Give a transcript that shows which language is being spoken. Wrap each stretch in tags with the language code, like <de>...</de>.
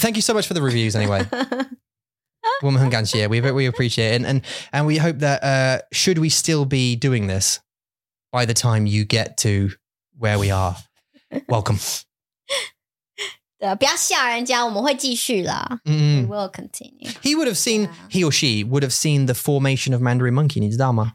<en>Thank you so much for the reviews anyway.</en> <zh>我们很感谢,</zh> <en>we appreciate it. And we hope that, should we still be doing this? By the time you get to where we are, welcome.</en> <zh>不要吓人家，我们会继续啦。</zh> <en>We will continue. He would have seen, he or she would have seen the formation of Mandarin Monkey,</en> <zh>你知道吗?</zh>